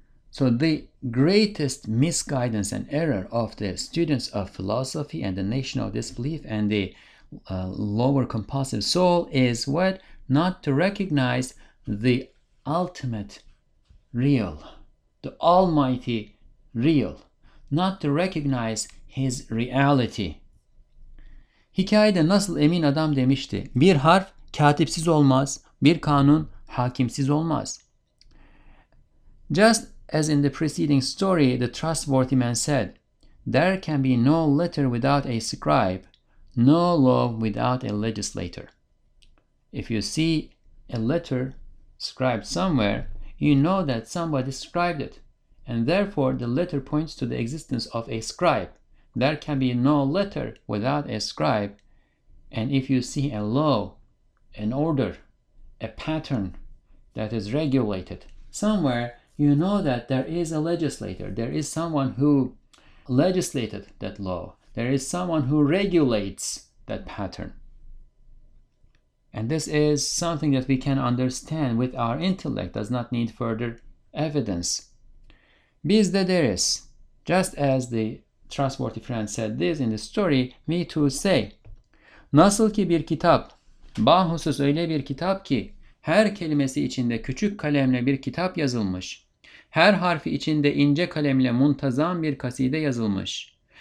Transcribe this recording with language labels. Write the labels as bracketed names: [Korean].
[English] So the greatest misguidance and error of the students of philosophy and the nation of disbelief and the lower compulsive soul is what? Not to recognize the ultimate real, the almighty real, not to recognize his reality. [Turkish] Hikayede nasıl emin adam demişti. Bir harf katipsiz olmaz, bir kanun hakimsiz olmaz. [English] Just as in the preceding story, the trustworthy man said, there can be no letter without a scribe, no law without a legislator. If you see a letter scribed somewhere, you know that somebody scribed it, and therefore the letter points to the existence of a scribe. There can be no letter without a scribe, and if you see a law, an order, a pattern that is regulated somewhere, you know that there is a legislator, there is someone who legislated that law, there is someone who regulates that pattern. And this is something that we can understand with our intellect, does not need further evidence. [Turkish] Biz de deriz, [English] just as the trustworthy friend said this in the story, me too say, [Turkish] nasıl ki bir kitap, bahusus öyle bir kitap ki, her kelimesi içinde küçük kalemle bir kitap yazılmış. Her harfi içinde ince kalemle muntazam bir kaside yazılmış.